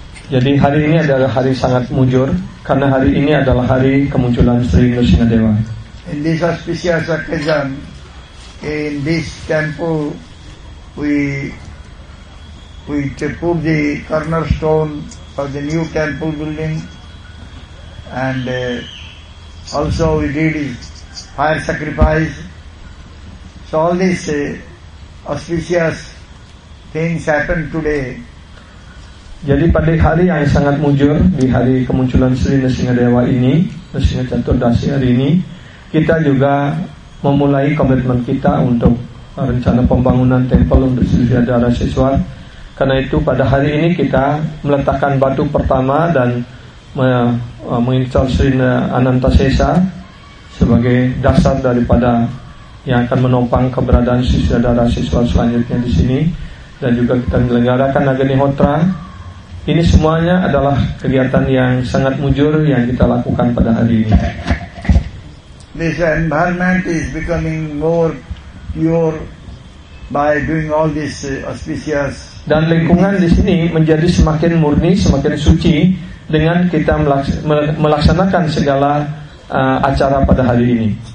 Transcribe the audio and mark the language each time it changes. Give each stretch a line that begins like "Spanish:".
Indonesian: Jadi hari ini adalah hari sangat mujur karena hari ini adalah hari kemunculan Sri Nrisimhadeva.
English: In this auspicious occasion, in this temple, we put the cornerstone for the new temple building, and also we did fire sacrifice. So all these auspicious things happen today.
Indonesian: Jadi pada hari yang sangat mujur di hari kemunculan Sri Nrisimhadeva ini, Nrisimha Chaturdasi hari ini, kita juga memulai komitmen kita untuk rencana pembangunan tempel untuk Sri Radharasiswar. Karena itu pada hari ini kita meletakkan batu pertama dan mengincar Sri Anantasesa sebagai dasar daripada yang akan menopang keberadaan Sri Radharasiswar selanjutnya di sini, dan juga kita menyelenggarakan Agnihotra. Ini semuanya adalah kegiatan yang sangat mujur yang kita lakukan pada hari ini.
English: This environment is becoming more pure by doing all this auspicious.
Indonesian: Dan lingkungan di sini menjadi semakin murni, semakin suci dengan kita melaksanakan segala acara pada hari ini.